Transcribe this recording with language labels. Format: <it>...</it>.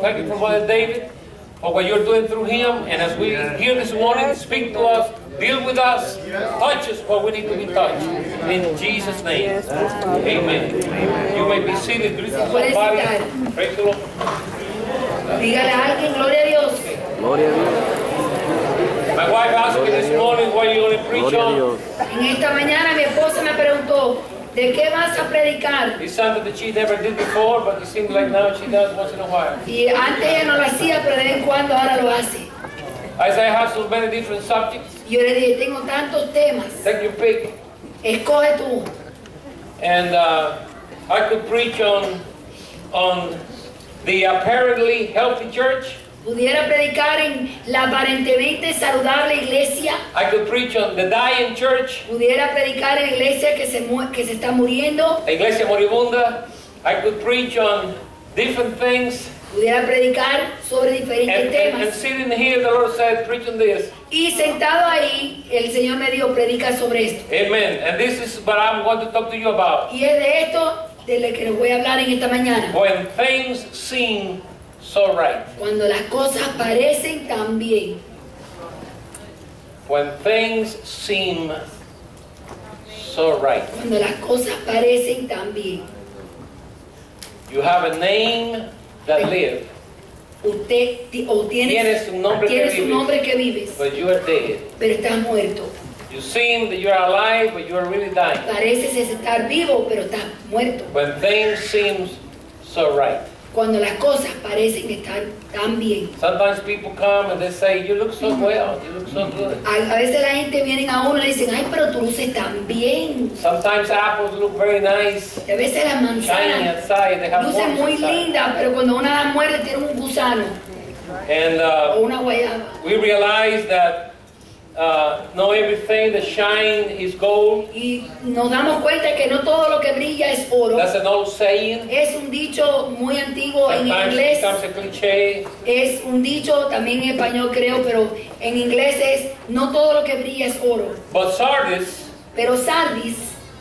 <en>Thank you for Brother David, for what you're doing through him. And as we hear this morning, speak to us, deal with us, touch us where we need to be touched. In Jesus' name, amen. You may be seated. Greetings, somebody. Praise the</en> <es>Lord. Dígale a alguien, gloria a Dios. Gloria a Dios.</es> <en>My wife asked me this morning, what are you going to preach on?</en> <es>En esta mañana mi esposa me preguntó, ¿de qué vas a predicar?</es> <en>It's something that she never did before, but it seems like now she does once in a while.</en> <es>Y antes ella no lo hacía, pero de vez en cuando ahora lo hace.</es> <en>I say, I have so many different subjects.</en> <es>Yo le dije, tengo tantos temas.</es> <en>Take your pick.</en> <es>Escoge tú.</es> <en>And I could preach on the apparently healthy church.</en> <es>Pudiera predicar en la aparentemente saludable iglesia.</es> <en>I could preach on the dying church.</en> <es>Pudiera predicar en iglesia que se está muriendo. La iglesia moribunda.</es> <en>I could preach on different things.</en> <es>Pudiera predicar sobre diferentes temas.</es> <en>And sitting here, the Lord said, preach on this.</en> <es>Y sentado ahí, el Señor me dijo, predica sobre esto.</es> <en>Amen. And this is what I'm going to talk to you about.</en> <es>Y es de esto de lo que les voy a hablar en esta mañana.</es> <en>When things seem so right.</en> <es>Cuando las cosas parecen tan bien.</es> <en>When things seem so right.</en> <es>Cuando las cosas parecen tan bien.</es> <en>You have a name that lives.</en> <es>Usted tienes un nombre que vives. Tienes un nombre que vives.</es> <en>But you are dead.</en> <es>Pero estás muerto.</es> <en>You seem that you are alive, but you are really dying.</en> <es>Pareces estar vivo, pero estás muerto.</es> <en>When things seem so right.</en> <es>Cuando las cosas parecen estar tan bien.</es> <en>Sometimes people come and they say, you look so well, you look so good.</en> <es>A veces la gente viene a uno y le dicen, ay, pero tú luces tan bien.</es> <en>Sometimes apples look very nice.</en> <es>A veces las manzanas lucen muy lindas, pero cuando una la muerde tiene un gusano.</es> <en>And,</en> <es>o una guayaba.</es> <en>We realize that not everything that shines is gold.</en> <es>Y nos damos cuenta que no todo lo que brilla es oro.</es> <en>That's an old saying.</en> <es>Es un dicho muy antiguo en inglés.</es> <en>Sometimes it becomes a cliché.</en> <es>Es un dicho también en español, creo, pero en inglés es no todo lo que brilla es oro.</es> <en>But Sardis.</en> <es>Pero Sardis</es>